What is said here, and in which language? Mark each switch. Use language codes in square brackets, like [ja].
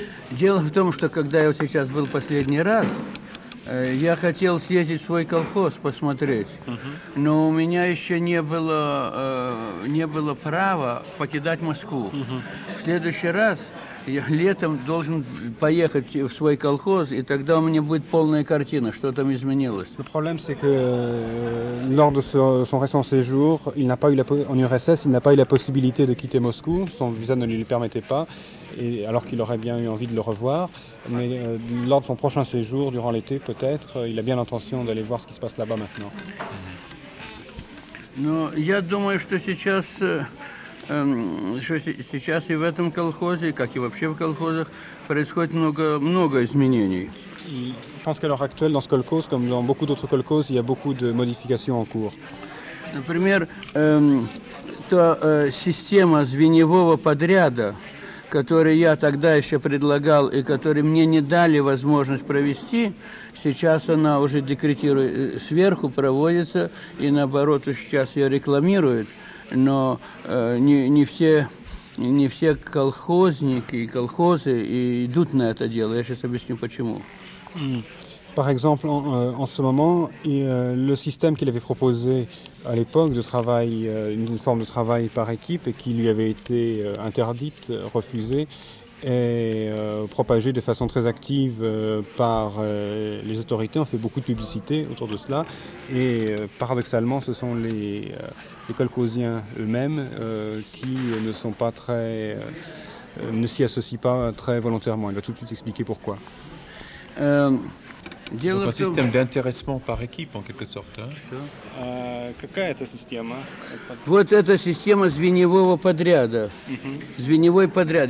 [ru] Дело в том, что когда я вот сейчас был последний раз, я хотел съездить в свой колхоз посмотреть, но у меня еще не было права покидать Москву. В следующий раз я летом должен поехать в свой колхоз, и тогда у меня будет полная картина, что там изменилось. [fr] Le problème c'est que lors de son récent séjour, il n'a pas eu en URSS, il n'a pas eu la possibilité de quitter Moscou, son visa ne lui permettait pas. Et alors qu'il aurait bien eu envie de le revoir, mais lors de son prochain séjour, durant l'été peut-être, il a bien l'intention d'aller voir ce qui se passe là-bas maintenant. [ru] Я думаю, что сейчас и в этом колхозе, как и вообще в колхозах, происходит много изменений. [fr] Je pense qu'à l'heure actuelle, dans ce colchoz, comme dans beaucoup d'autres colchoz, il y a beaucoup de modifications en cours. [ru] Например, то система звеньевого подряда, который я тогда еще предлагал и который мне не дали возможность провести, сейчас она уже декретирует, сверху проводится и наоборот сейчас ее рекламируют, но не все колхозники и колхозы идут на это дело. Я сейчас объясню почему. [fr] Par exemple, en ce moment, le système qu'il avait proposé à l'époque de travail, une forme de travail par équipe et qui lui avait été interdite, refusée, est propagée de façon très active par les autorités. On fait beaucoup de publicité autour de cela. Et paradoxalement, ce sont les colcosiens eux-mêmes qui ne sont pas très, ne s'y associent pas très volontairement. Il va tout de suite expliquer pourquoi. Donc un système d'intéressement par équipe, en quelque sorte. [ru] Какая это система? Вот эта система звеньевого подряда. Звеньевой подряд.